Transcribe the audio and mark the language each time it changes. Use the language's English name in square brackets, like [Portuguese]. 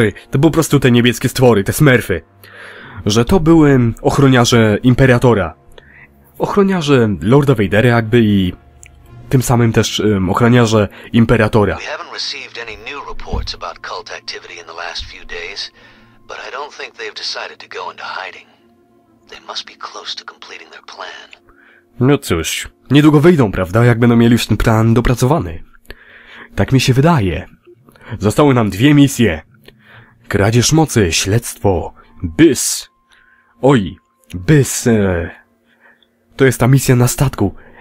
[Polish] To były po prostu te niebieskie stwory, te smurfy. Że to były ochroniarze Imperatora. ochroniarze Lorda Vadera jakby i tym samym też ochroniarze Imperatora. [English] We haven't received any new reports about cult activity in the last few days, but I don't think they've decided to go into hiding. They must be close to completing their plan. [Polish] No cóż, niedługo wyjdą, prawda? Jak będą mieli już ten plan dopracowany. Tak mi się wydaje. Zostały nam dwie misje. Kradzież mocy, śledztwo, Bys. Oj, Bys. To jest ta misja na statku.